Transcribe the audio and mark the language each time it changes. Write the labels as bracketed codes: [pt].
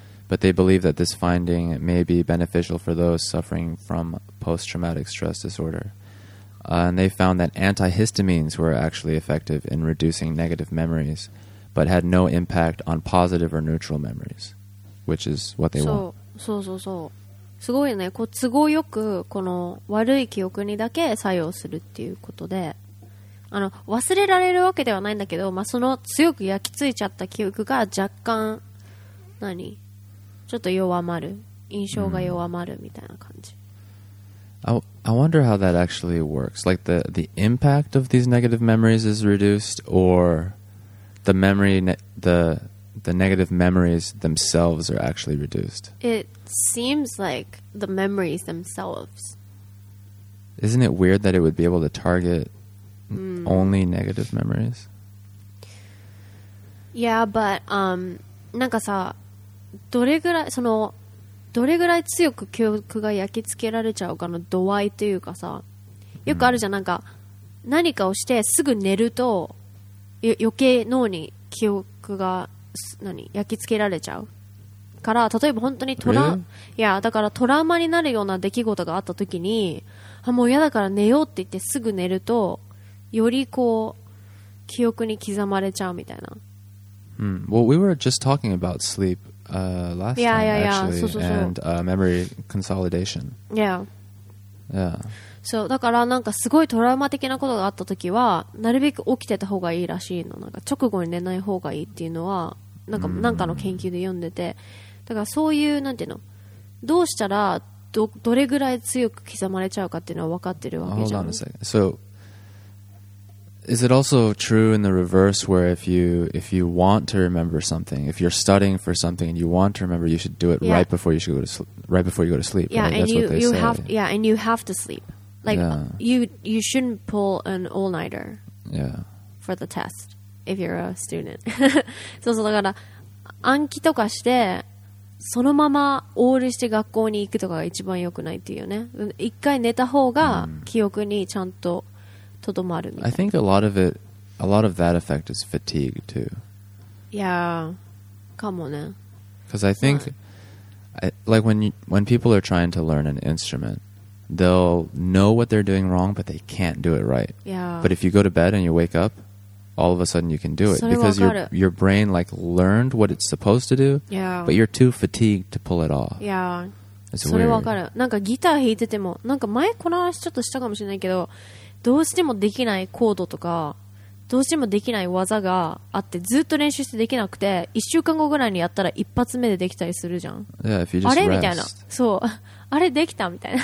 [en] But they believe that this finding may be beneficial for those suffering from post-traumatic stress disorder. And they found that antihistamines were actually effective in reducing negative memories. But had no impact on positive or neutral memories, which is what they want. [ja] そうそうそう。すごいね。こう都合よくこの悪い記憶にだけ作用するっていうことで、忘れられるわけではないんだけど、その強く焼き付いちゃった記憶が若干何ちょっと弱まる、印象が弱まるみたいな感じ。 [en] I wonder how that actually works. Like the impact of these negative memories is reduced, or the memory, the negative memories themselves are actually reduced. It seems like the memories themselves. Isn't it weird that it would be able to target only negative memories? Yeah, but [ja] なんかさ、どれぐらい、その、どれぐらい強く記憶が焼き付けられちゃうかの度合いというかさ、よくあるじゃん、なんか何かをしてすぐ寝ると余計脳に記憶が何焼き付けられちゃうから、例えば本当にトラ、 [en] really? [ja] いやだからトラウマになるような出来事があった時に、あもう嫌だから寝ようって言ってすぐ寝ると、よりこう記憶に刻まれちゃうみたいな。 [en] Well, we were just talking about sleep last time, actually, そうそうそう、 and memory consolidation. Yeah. [ja] そうだから、なんかすごいトラウマ的なことがあったときはなるべく起きてた方がいいらしいの、なんか直後に寝ない方がいいっていうのはなんかの研究で読んでて、だからそういうなんていうの、どうしたら どれぐらい強く刻まれちゃうかっていうのは分かってるわけじゃん。 [en] Hold on a second. So is it also true in the reverse where if you want to remember something, if you're studying for something and you want to remember, you should do it right before you go to sleep? Yeah, right? And that's what they say. Yeah, and you have to sleep. You shouldn't pull an all-nighter for the test if you're a student. [ja] そうそう、だから暗記とかしてそのままオールして学校に行くとかが一番良くないっていうね。一回寝た方が記憶にちゃんと留まるみたいな。 [en] I think a lot of that effect is fatigue too. [ja] Yeah, かもね。 [en] Because I think, like when people are trying to learn an instrument,they'll know what they're doing wrong, but they can't do it right. Yeah. But if you go to bed and you wake up, all of a sudden you can do it. Because your brain like learned what it's supposed to do, but you're too fatigued to pull it off. Yeah. It's weird. [ja] それわかる。なんかギター弾いてても、なんか前この話ちょっとしたかもしれないけど、どうしてもできないコードとか、どうしてもできない技があって、ずっと練習してできなくて、1週間後ぐらいにやったら一発目でできたりするじゃん。 [en] Yeah, if you just [ja] rest. あれみたいな。そう。あれできたみたいな、